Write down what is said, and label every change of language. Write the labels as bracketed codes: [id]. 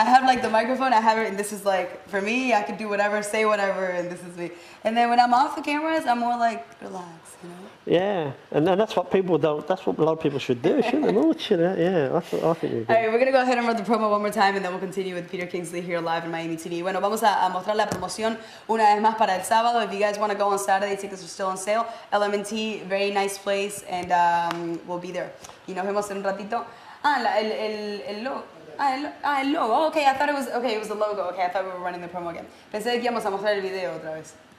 [en] I have like the microphone, I have it, and this is like, for me, I could do whatever, say whatever, and this is me. And then when I'm off the cameras, I'm more like, relax, you know? Yeah, and that's what people don't, that's what a lot of people should do, shouldn't they? Yeah, I think you're good. All right, we're going to go ahead and run the promo one more time, and then we'll continue with Peter Kingsley here live in Miami TV. [es] Bueno, vamos a mostrar la promoción una vez más para el sábado. [en] If you guys want to go on Saturday, tickets are still on sale. LMNT, very nice place, and we'll be there. [es] Y nos vemos en un ratito. Ah, el logo. [en] Oh, okay, I thought it was, okay, it was the logo. Okay, I thought we were running the promo again. [es] Pensé que íbamos a mostrar el video otra vez.